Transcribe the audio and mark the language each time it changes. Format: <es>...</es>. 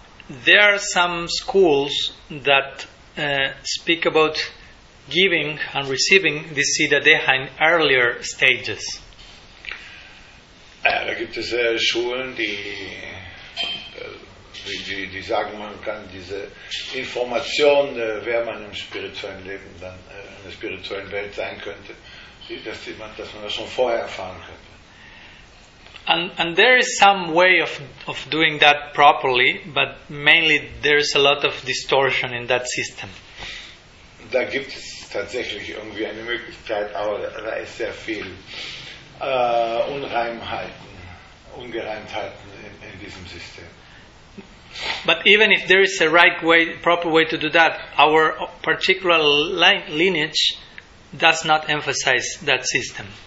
<en>There are some schools that speak about giving and receiving the siddha-deha in earlier stages.</en> <de>Da gibt es Schulen, die sagen, man kann diese Information, wer man im spirituellen Leben dann in der spirituellen Welt sein könnte, dass man das schon vorher erfahren könnte.</de> <en>And there is some way of doing that properly, but mainly there is a lot of distortion in that system.</en> <de>Da gibt es tatsächlich irgendwie eine Möglichkeit, aber da ist sehr viel Ungereimtheiten in diesem System.</de> <en>But even if there is a right way, proper way to do that, our particular lineage does not emphasize that system.</en>